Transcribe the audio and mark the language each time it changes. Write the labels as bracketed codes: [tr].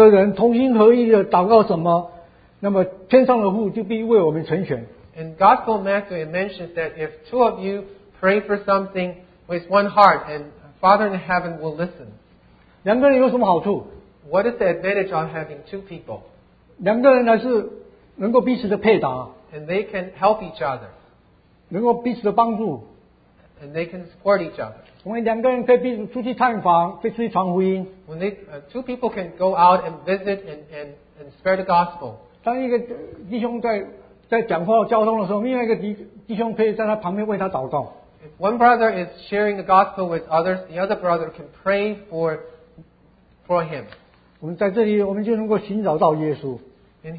[zh] 在马太福音里就告诉我们，我们说地上有两个人同心合意的祷告什么？那么天上的父就必为我们成全。 [en] And Gospel of Matthew, it mentions that if two of you pray for something with one heart, and Father in heaven will listen. [zh] 两个人有什么好处？ [en] What is the advantage of having two people? [zh] 两个人呢是能够彼此的配搭。 [en] And they can help each other. [zh] 能够彼此的帮助。 [en] And they can support each other. [zh] 我们两个人可以彼此出去探访，可以出去传福音。 [en] When they, two people can go out and visit and spread the gospel. [zh] 当一个弟兄在讲话交通的时候，另外一个弟兄可以在他旁边为他祷告。 [en] If one brother is sharing the gospel with others, the other brother can pray for him. [zh] 我们在这里，我们就能够寻找到耶稣。 [en] And